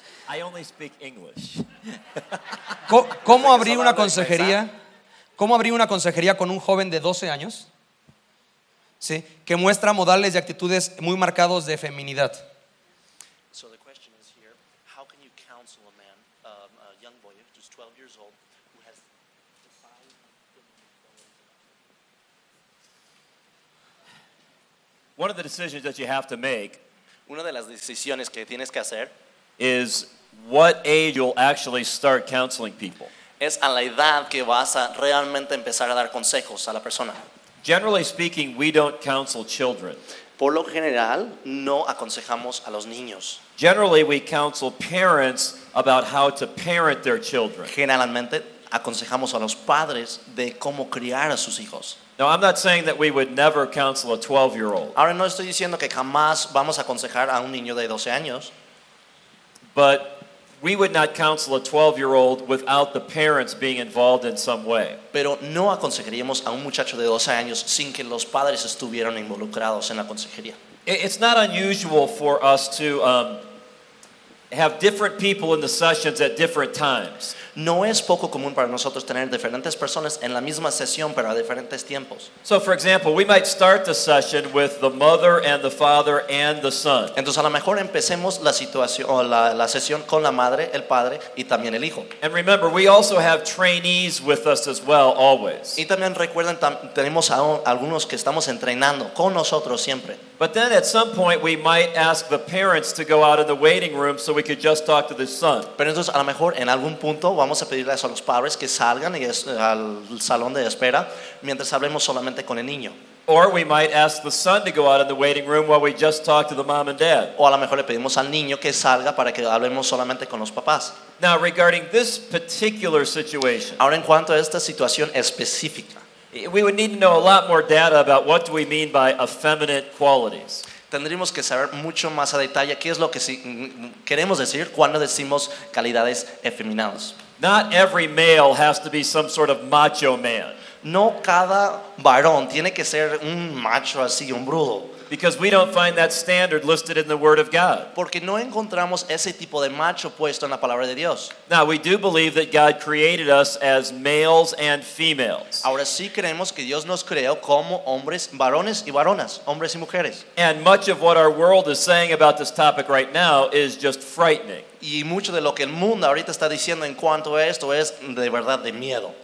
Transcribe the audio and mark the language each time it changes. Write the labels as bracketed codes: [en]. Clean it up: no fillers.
[en] I only speak English. [es] ¿Cómo abrir una consejería? ¿Cómo abrir una consejería con un joven de 12 años? Sí, que muestra modales y actitudes muy marcados de feminidad. [en] So the question is here, how can you counsel a man, a young boy who's 12 years old, who has defined... One of the decisions that you have to make, [es] una de las decisiones que tienes que hacer, [en] is what age you'll actually start counseling people. [es] Es a la edad que vas a realmente empezar a dar consejos a la persona. [en] Generally speaking, we don't counsel children. [es] Por lo general, no aconsejamos a los niños. [en] Generally, we counsel parents about how to parent their children. [es] Generalmente, aconsejamos a los padres de cómo criar a sus hijos. [en] Now, I'm not saying that we would never counsel a 12-year-old. [es] Ahora no estoy diciendo que jamás vamos a aconsejar a un niño de 12 años. [en] But we would not counsel a 12-year-old without the parents being involved in some way. [es] Pero no aconsejaríamos a un muchacho de 12 años sin que los padres estuvieran involucrados en la consejería. [en] It's not unusual for us to have different people in the sessions at different times. [es] No es poco común para nosotros tener diferentes personas en la misma sesión pero a diferentes tiempos. [en] So for example, we might start the session with the mother and the father and the son. [es] Entonces a lo mejor empecemos la situación o la sesión con la madre, el padre y también el hijo. [en] And remember, we also have trainees with us as well always. [es] Y también recuerden tenemos a algunos que estamos entrenando con nosotros siempre. [en] But then at some point we might ask the parents to go out in the waiting room so we could just talk to the son. [es] Pero entonces a lo mejor en algún punto vamos a pedirles a los padres que salgan y al salón de espera mientras hablemos solamente con el niño. [en] Or we might ask the son to go out in the waiting room while we just talk to the mom and dad. [es] O a lo mejor le pedimos al niño que salga para que hablemos solamente con los papás. [en] Now regarding this particular situation. [es] Ahora en cuanto a esta situación específica. [en] We would need to know a lot more data about what do we mean by effeminate qualities. [es] Tendríamos que saber mucho más a detalle qué es lo que queremos decir cuando decimos calidades efeminadas. [en] Not every male has to be some sort of macho man. [es] No cada varón tiene que ser un macho así, un brudo. [en] Because we don't find that standard listed in the Word of God. [es] Porque no encontramos ese tipo de macho puesto en la palabra de Dios. [en] Now we do believe that God created us as males and females. [es] Ahora sí creemos que Dios nos creó como hombres, varones y varonas, hombres y mujeres. [en] And much of what our world is saying about this topic right now is just frightening. [es] Y mucho de lo que el mundo ahorita está diciendo en cuanto a esto es de verdad de miedo.